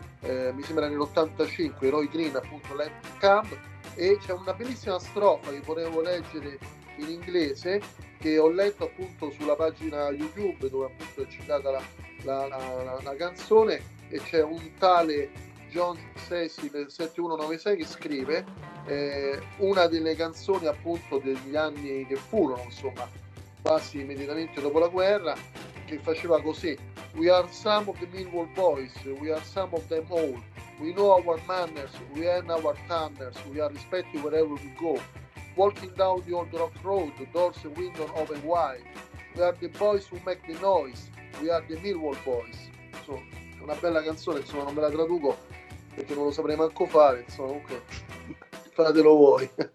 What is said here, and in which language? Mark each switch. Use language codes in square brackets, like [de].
[it] mi sembra nell'85, Roy Green, appunto, Let It Come, e c'è una bellissima strofa che volevo leggere in inglese, che ho letto appunto sulla pagina YouTube, dove appunto è citata la canzone, e c'è un tale John Cecil 7196 che scrive una delle canzoni appunto degli anni che furono, insomma, quasi immediatamente dopo la guerra, che faceva così: [en] We are some of the Millwall boys. We are some of them all. We know our manners. We earn our thunders. We are respected wherever we go. Walking down the old rock road, the doors and windows open wide. We are the boys who make the noise. We are the Millwall boys. [it] So, è una bella canzone, insomma, non me la traduco perché non lo saprei manco fare, insomma, comunque fatelo voi.